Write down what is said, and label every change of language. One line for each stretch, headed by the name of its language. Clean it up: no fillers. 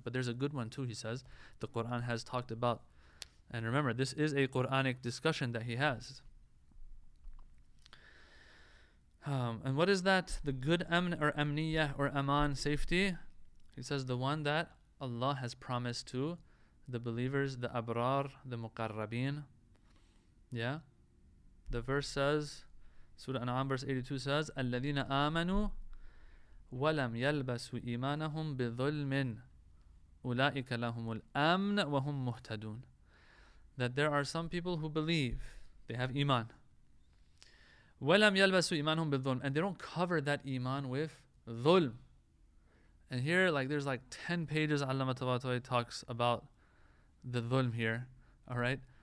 English: But there's a good one too, he says, the Quran has talked about. And remember, this is a Quranic discussion that he has. And what is that? The good amn or amniyah or aman, safety? He says the one that Allah has promised to the believers, the abrar, the muqarrabin. Yeah? The verse says, Surah An'am verse 82 says,
Arabic: أَلَّذِينَ آمَنُوا وَلَمْ يَلْبَسُوا إِيمَانَهُمْ بِظُلْمٍ أُولَٰئِكَ لَهُمُ الْأَمْنَ وَهُمْ مُهْتَدُونَ.
English: That there are some people who believe, they have iman.
Arabic: وَلَمْ يَلْبَسُوا إِيمَانَهُمْ بِظُلْمٍ.
English: And they don't cover that iman with ظُلْم. And here, like, there's like 10 pages Allama Tabatawi talks about the ظُلْم here. Alright?